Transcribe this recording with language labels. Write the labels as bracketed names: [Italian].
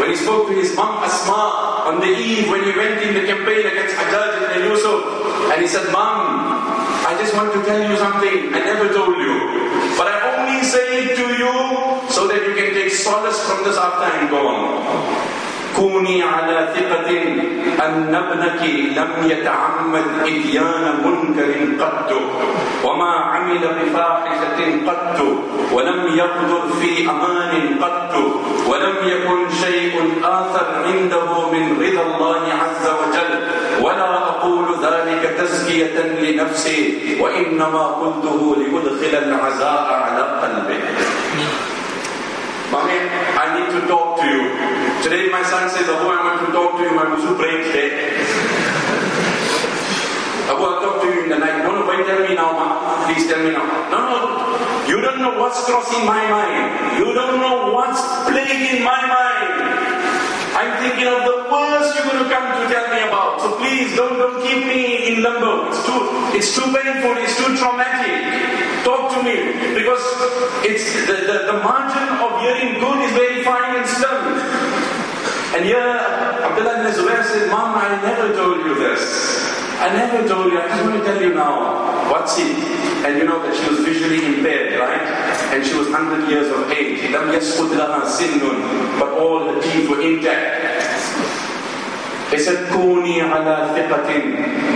[English] When he spoke to his mom Asma on the eve when he went in the campaign against Hajjaj ibn Yusuf, and he said, Mom, I just want to tell you something I never told you, but I only say it to you so that you can take solace from this after I'm gone. [Arabic] كوني على ثقة أن ابنك لم يتعمد إتيان منكر قط وما عمل بفاحشة قط ولم يقدر في أمان قط ولم يكن شيء آثر عنده من رضا الله عز وجل ولا أقول ذلك تزكية لنفسي وإنما قلته لأدخل العزاء على قلبه. [English] Mommy, I need to talk to you. Today my son says, Abu, I want to talk to you. My wuzu breaks today. Abu, I'll talk to you in the night. No, no, wait, tell me now, ma. Please tell me now. No, no. You don't know what's crossing my mind. You don't know what's plaguing my mind. I'm thinking of the worst you're going to come to tell me about. So please, don't keep me in limbo. It's too painful. It's too traumatic. Talk to me, because it's the margin of hearing good is very fine and slim. And here, Abdullah ibn Zubair says, Mom, I never told you this. I never told you. I just want to tell you now. What's it? And you know that she was visually impaired, right? And she was 100 years of age. [Arabic] لَمْ يَسْقُدْ لَهَا سِنُّنْ. [English] But all the teeth were intact. He said, [Arabic] كُونِي عَلَى ثِقَةٍ.